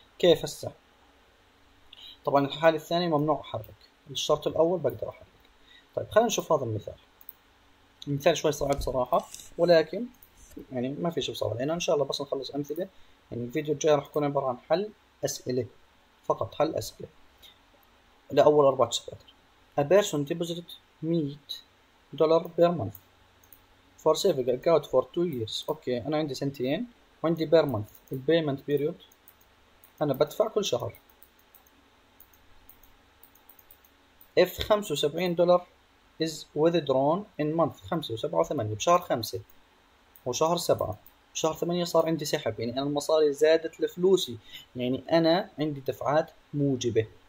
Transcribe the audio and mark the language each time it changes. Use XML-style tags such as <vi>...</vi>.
<ar>كيف هسه؟ طبعا الحالة الثانية ممنوع أحرك، الشرط الأول بقدر أحرك. طيب خلينا نشوف هذا المثال. المثال شوي صعب صراحة، ولكن يعني ما فيش بصعب، لأنه إن شاء الله بس نخلص أمثلة. يعني الفيديو الجاي راح يكون عبارة عن حل أسئلة فقط، حل أسئلة لأول 4 شباتر.</ar> <en>A person deposited 100 dollar per month for saving account for 2 years.</en> <ar>أوكي أنا عندي سنتين وعندي بير مانث، البيمنت بيريود أنا بدفع كل شهر.</ar> <en>if 75 dollar is withdrawn in month 5</en> <ar>و7 و8، بشهر 5 وشهر 7 وشهر 8 صار عندي سحب، يعني انا المصاري زادت لفلوسي، يعني انا عندي دفعات موجبه.</ar>